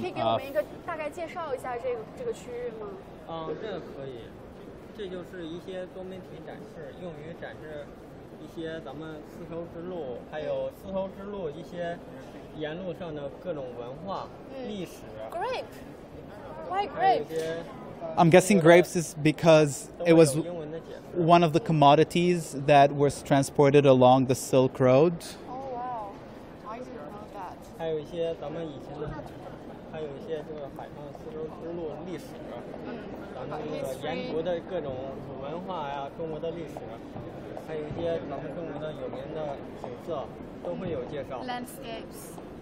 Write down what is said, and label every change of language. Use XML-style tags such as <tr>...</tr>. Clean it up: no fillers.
<zh>可以给我们一个大概介绍一下这个区域吗？嗯，这个可以，这就是一些多媒体展示，用于展示一些咱们丝绸之路，还有丝绸之路一些沿路上的各种文化、历史。</zh> <en>Grape, why grape? I'm guessing grapes is because it was one of the commodities that was transported along the Silk Road. Oh wow, I didn't know that.</en> <zh>还有一些咱们以前的，还有一些这个海上丝绸之路历史，咱们这个沿途的各种文化呀，中国的历史，还有一些咱们中国的有名的景色，都会有介绍。</zh> <en>Landscapes.</en>